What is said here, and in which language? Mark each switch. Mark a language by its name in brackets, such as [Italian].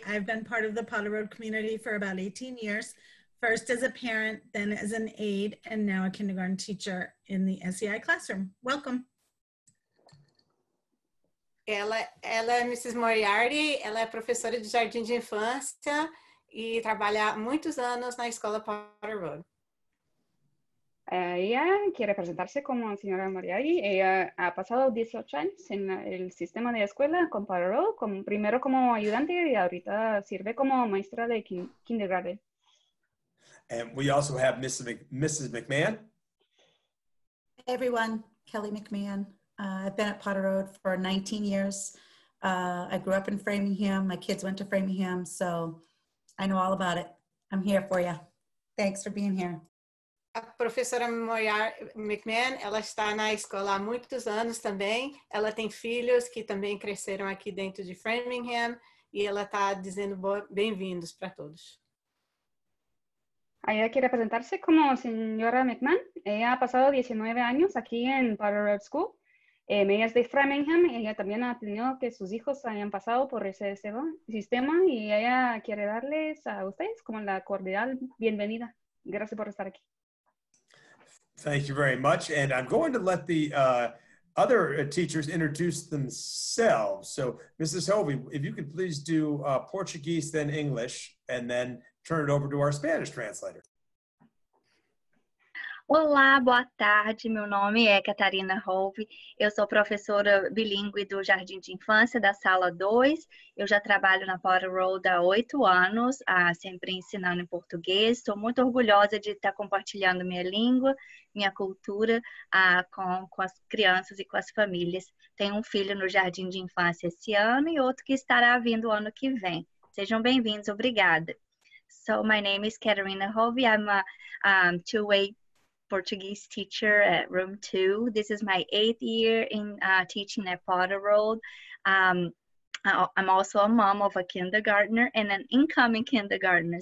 [English] I've been part of the Potter Road community for about 18 years, first as a parent, then as an aide, and now a kindergarten teacher in the SEI classroom. Welcome. [Portuguese] Ela é Mrs. Moriarty, ela é professora de jardim de infância e trabalha há muitos anos na escola Potter Road. [Spanish] Ella quiere presentarse como señora Moriarty. Ella ha pasado 18 años en el sistema de escuela con Potter Road, primero como ayudante y ahorita sirve como maestra de kindergarten. [English] And we also have Mrs. McMahon. Hey everyone, Kelly McMahon. I've been at Potter Road for 19 years. I grew up in Framingham. My kids went to Framingham, so I know all about it. I'm here for you. Thanks for being here. [Portuguese] A professora McMahon, ela está na escola há muitos anos também. Ela tem filhos que também cresceram aqui dentro de Framingham e ela está dizendo bem-vindos para todos. [Spanish] Ella quiere presentarse como señora McMahon. Ella ha pasado 19 años aquí en Potter Road School. Ella es de Framingham, ella también ha tenido que sus hijos hayan pasado por ese sistema y ella quiere darles a ustedes como la cordial bienvenida. Gracias por estar aquí. [English] Thank you very much. And I'm going to let the other teachers introduce themselves. So, Mrs. Hovey, if you could please do Portuguese, then English, and then turn it over to our Spanish translator. [Portuguese] Olá, boa tarde. Meu nome é Catarina Hove. Eu sou professora bilíngue do Jardim de Infância da Sala 2. Eu já trabalho na Potter Road há 8 anos, sempre ensinando em português. Estou muito orgulhosa de estar compartilhando minha língua, minha cultura com as crianças e com as famílias. Tenho um filho no Jardim de Infância esse ano e outro que estará vindo o ano que vem. Sejam bem-vindos. Obrigada. [English] So, my name is Catarina Hove. I'm a two-way Portuguese teacher at room 2. This is my 8th year in teaching at Potter Road. I'm also a mom of a kindergartner and an incoming kindergartner.